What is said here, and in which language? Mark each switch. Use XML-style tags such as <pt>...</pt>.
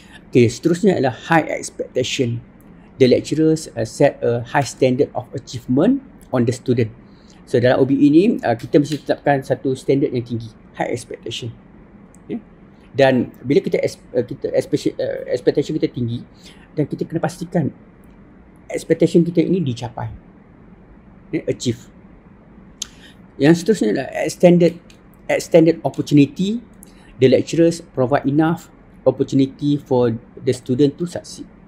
<ms>Okay, seterusnya adalah high expectation.</ms> <en>The lecturers set a high standard of achievement on the student.</en> <ms>So, dalam OBE ni, kita mesti tetapkan satu standard yang tinggi.</ms> <en>High expectation.</en> <ms>Dan bila kita expectation kita tinggi dan kita kena pastikan expectation kita ini dicapai, yeah, achieve. Yang seterusnya adalah extended opportunity.</ms> <en>The lecturers provide enough opportunity for the student to succeed.</en>